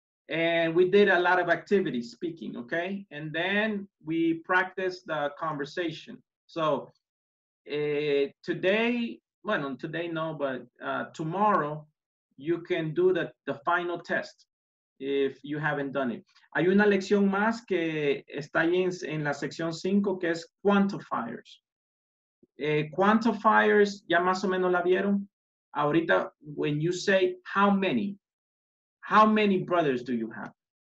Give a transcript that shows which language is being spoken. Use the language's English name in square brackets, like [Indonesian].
[English] And we did a lot of activities speaking, okay? And then we practiced the conversation. So tomorrow, you can do the final test if you haven't done it. [Spanish] Hay una lección más que está ahí en la sección 5 que es quantifiers. Quantifiers, ya más o menos la vieron. Ahorita, [English] when you say how many brothers do you have?